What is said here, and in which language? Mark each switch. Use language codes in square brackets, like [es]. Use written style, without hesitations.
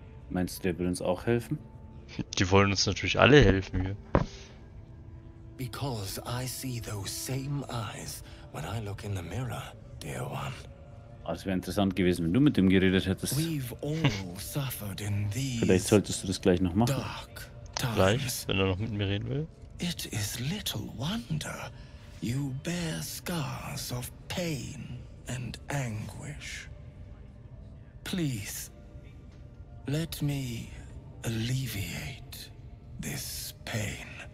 [de] Meinst du, der will uns auch helfen? Die wollen uns natürlich alle helfen hier. [en] Because I see those same eyes when I look in the mirror, dear one. [de] Also wäre interessant gewesen, wenn du mit dem geredet hättest. Vielleicht solltest du das gleich noch machen. Gleich, wenn er noch mit mir reden will. [en] It is little wonder you bear scars of pain and anguish. Please, let me alleviate this pain.